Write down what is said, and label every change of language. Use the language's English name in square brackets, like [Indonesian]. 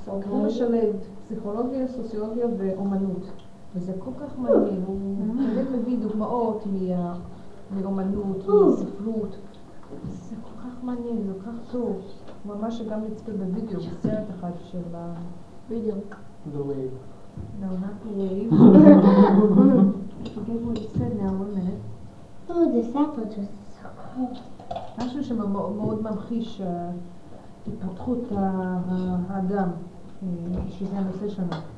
[Hebrew] הוא משלב פסיכולוגיה, סוציולוגיה ואומנות. וזה כל כך מעניין, הוא באמת מביא דוגמאות מאומנות, מספרות. זה כל כך מעניין, זה כל כך טוב. הוא ממש גם נצפה בווידאו, בסרט אחד של ה... וידאו. [English] The Wave. No, not the Wave. Forget what you said now, one minute. Oh, this apple just so cool. [Hebrew] משהו שמאוד ממחיש... התפתחות האדם, שזה הנושא שלנו.